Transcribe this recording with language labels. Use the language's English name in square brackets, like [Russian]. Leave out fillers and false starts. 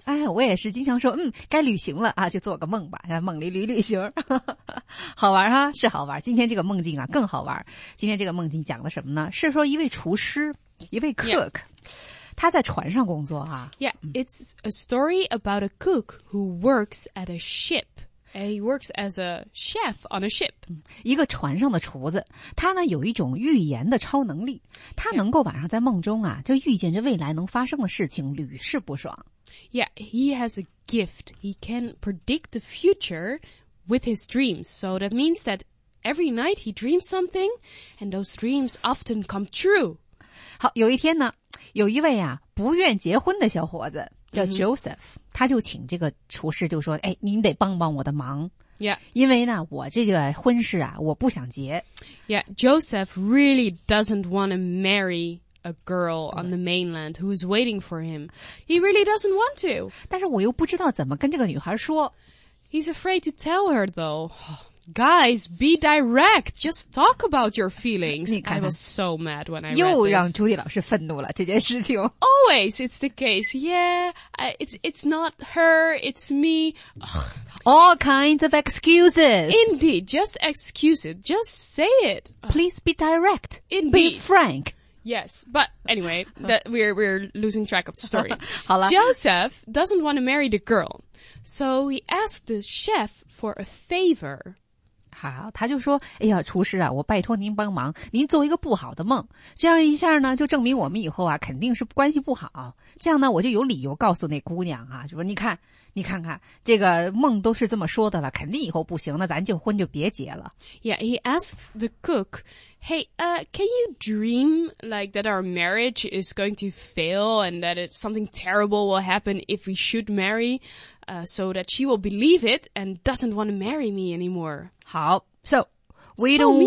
[Chinese] 哎我也是经常说该旅行了啊就做个梦吧然后梦里旅行。好玩哈是好玩今天这个梦境啊更好玩。今天这个梦境讲的什么呢是说一位厨师一位 cook。 [English] Yeah. [Chinese] 他在船上工作啊。 [English] Yeah, it's a story about a cook who works at a ship. And he works as a chef on a ship. [Chinese] 一个船上的厨子他呢有一种预言的超能力。他能够晚上在梦中啊就预见着未来能发生的事情屡试不爽。 [English] Yeah, he has a gift. He can predict the future with his dreams. So that means that every night he dreams something and those dreams often come true. [Chinese] 好有一天呢有一位啊不愿结婚的小伙子叫 Joseph、mm-hmm. 他就请这个厨师就说哎您得帮帮我的忙 [English] Yeah [Chinese] 因为呢我这个婚事啊我不想结 [English] Yeah Joseph really doesn't want to marry a girl on the mainland who is waiting for him He really doesn't want to [Chinese] 但是我又不知道怎么跟这个女孩说 [English] He's afraid to tell her though Guys, be direct. Just talk about your feelings. [Chinese] 你看看 [English] I was so mad when I read this. [Chinese] 又让朱迪老师愤怒了这件事情。 [English] Always, it's the case. Yeah, it's not her, it's me. All kinds of excuses. Indeed, just excuse it. Just say it. Please be direct. Indeed. Be frank. Yes, but anyway, that we're losing track of the story. [Chinese] 好了 [English] Joseph doesn't want to marry the girl, so he asked the chef for a favor. [Chinese] 好，他就说，哎呀，厨师啊，我拜托您帮忙，您做一个不好的梦，这样一下呢，就证明我们以后啊，肯定是关系不好。这样呢，我就有理由告诉那姑娘啊，就说你看，你看看，这个梦都是这么说的了，肯定以后不行，那咱就婚就别结了。 [English] Yeah, he asks the cook. Hey, can you dream like that our marriage is going to fail and that it's something terrible will happen if we should marry, so that she will believe it and doesn't want to marry me anymore? [Chinese] 好 [English] so we so don't、 mean.